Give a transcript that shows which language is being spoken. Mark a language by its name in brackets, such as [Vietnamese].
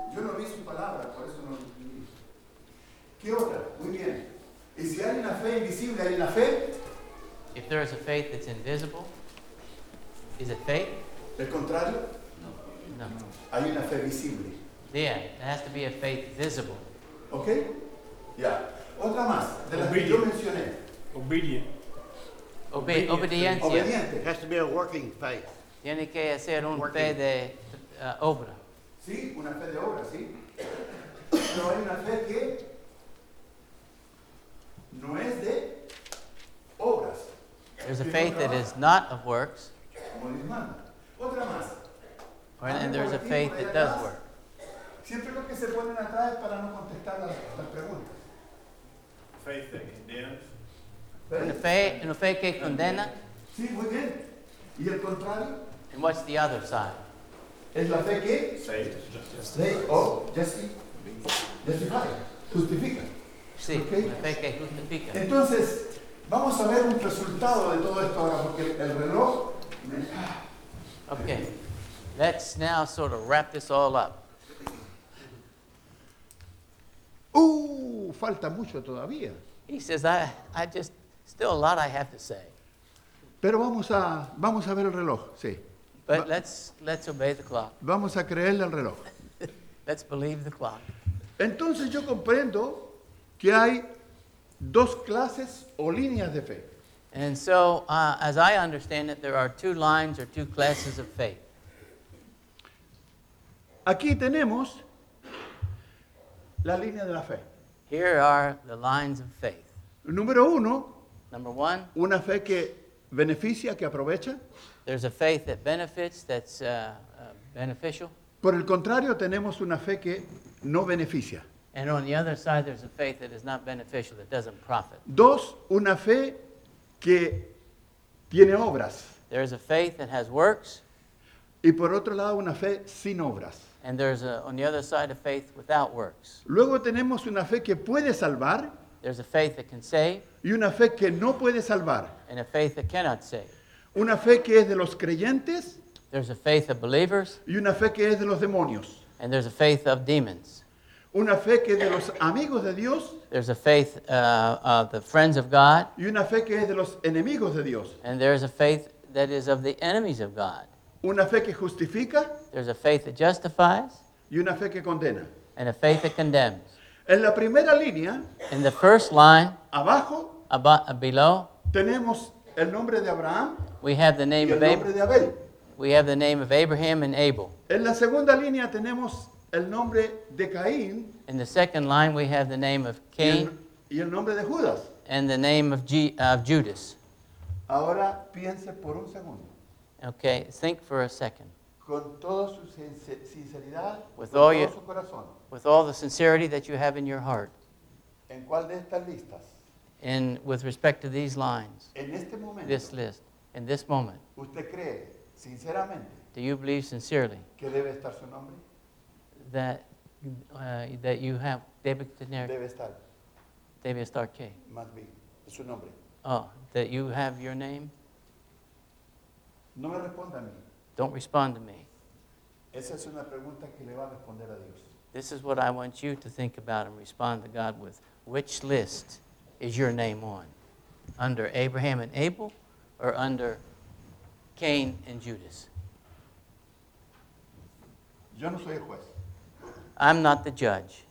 [Spanish] Yo no vi su palabra, por eso no entendí. ¿Qué otra? Muy bien. ¿Y si hay una fe invisible, hay una fe? [English] If there is a faith that's invisible, is it faith? [Spanish] ¿El contrario? No. Hay una fe visible. [English] Yeah, there has to be a faith visible. [Spanish] Okay? Yeah. Otra más, de las que yo mencioné. [English] Obedient. [Spanish] Obediencia. Obediente. [English] It has to be a working faith. [Spanish] Tiene que hacer una fe de obra. Sí, una fe de obra, sí. Pero hay una fe que no es de obras. [English] There's a faith that is not of works. [Spanish] Otra más. [English] And there's a faith that does work. [Spanish] Siempre lo que se ponen atrás es para no contestar las preguntas. [English] Faith that condemns. [Spanish] Una fe que condena. Sí, muy bien. ¿Y el contrario? [English] And what's the other side? [Spanish] Es la fe que justifica. Sí, okay. La fe que justifica. Entonces, vamos a ver un resultado de todo esto ahora porque el reloj me... [English] Okay, let's now sort of wrap this all up. [Spanish] Falta mucho todavía. [English] He says, I just, still a lot I have to say. [Spanish] Pero vamos a ver el reloj, sí. [English] But let's obey the clock. [Spanish] Vamos a creerle al reloj. [English] Let's believe the clock. [Spanish] Entonces yo comprendo que hay dos clases o líneas de fe. [English] And so, as I understand it, there are two lines or two classes of faith. [Spanish] Aquí tenemos la línea de la fe. [English] Here are the lines of faith. [Spanish] Número uno. [English] Number one. [Spanish] Una fe que beneficia, que aprovecha. [English] There's a faith that benefits, that's beneficial. [Spanish] Por el contrario, tenemos una fe que no beneficia. [English] And on the other side, there's a faith that is not beneficial, that doesn't profit. [Spanish] Dos, una fe que tiene obras. [English] There is a faith that has works. [Spanish] Y por otro lado, una fe sin obras. [English] And there's on the other side, a faith without works. [Spanish] Luego tenemos una fe que puede salvar. [English] There's a faith that can save. [Spanish] Y una fe que no puede salvar. [English] And a faith that cannot save. [Spanish] Una fe que es de los creyentes. [English] There's a faith of believers. [Spanish] Y una fe que es de los demonios. [English] And there's a faith of demons. [Spanish] Una fe que es de los amigos de Dios. [English] There's a faith of the friends of God. [Spanish] Y una fe que es de los enemigos de Dios. [English] And there's a faith that is of the enemies of God. [Spanish] Una fe que justifica. [English] There's a faith that justifies. [Spanish] Y una fe que condena. [English] And a faith that condemns. [Spanish] En la primera línea, [English] in the first line, [Spanish] abajo, [English] below, [Spanish] tenemos el nombre de Abraham. [English] We have the name of Abel. We have the name of Abraham and Abel. [Spanish] En la segunda línea tenemos el nombre de Caín. [English] In the second line we have the name of Cain. [Spanish] Y el nombre de Judas. [English] And the name of Judas. [Spanish] Ahora piense por un segundo. [English] Okay, think for a second. [Spanish] Con toda su sinceridad, [English] with all [Spanish] todo su corazón. [English] With all the sincerity that you have in your heart. [Spanish] ¿En cuál de estas listas? [English] And with respect to these lines. [Spanish] En este momento. [English] This list. In this moment. [Spanish] ¿Usted cree? sinceramente. [English] Do you believe sincerely? [Spanish] Que debe estar su nombre. [English] That that you have [Spanish] debe tener. Debe estar. Debe estar qué? [English] Must be. [Spanish] Es su nombre. [English] Oh, that you have your name. [Spanish] No me responda a mí. [English] Don't respond to me. [Spanish] Esa es una pregunta que le va a responder a Dios. [English] This is what I want you to think about and respond to God with. Which list is your name on? Under Abraham and Abel or under Cain and Judas? [Spanish] Yo no soy el juez. [English] I'm not the judge.